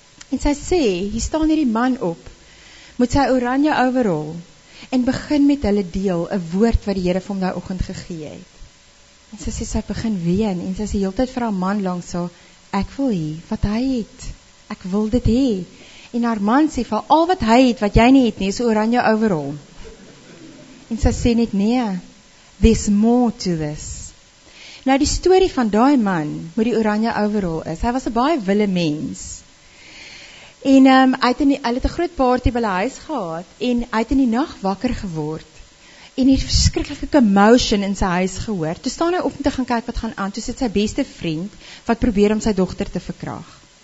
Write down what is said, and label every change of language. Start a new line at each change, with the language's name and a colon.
Afrikaans: En sy sê, hier staan hierdie man op, moet sy oranje overall en begin met hulle deel, 'n woord wat die Here vir hom daai oggend gegee het. En sy sê sy begin ween, en sy sê heeltyd vir haar man langs haar, ek wil hê wat hy het, ek wil dit hê. En haar man sê, vir al wat hy het, wat jy nie het nie, is oranje overall. En sy sê net, nee,
English: there's more to this.
Afrikaans: Nou die story van daai man, met die oranje overall is, hy was 'n baie wille mens, en hy het 'n groot party by hulle huis gehad, en hy het in die nag wakker geword, en hy het verskriklike commotion in sy huis gehoor. Toe staan hy op om te gaan kyk wat gaan aan, toe sit sy beste vriend, wat probeer om sy dogter te verkrag.